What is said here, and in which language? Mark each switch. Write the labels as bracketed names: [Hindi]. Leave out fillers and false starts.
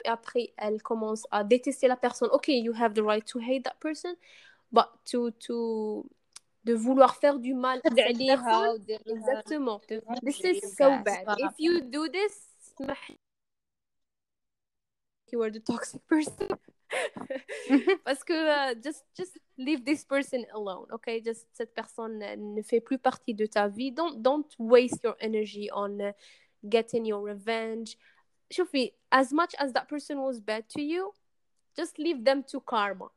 [French] Après, elle commence à détester la personne. [English] Okay, you have the right to hate that person, but to [French] de vouloir faire du mal à cette personne. Exactement. [English] This is so bad. If you do this, you are the toxic person. [French] Parce que [English] just leave this person alone, okay? Just [French] cette personne ne fait plus partie de ta vie. [English] Don't waste your energy on getting your revenge. Shufi, as much as that person was bad to you, just leave them to karma.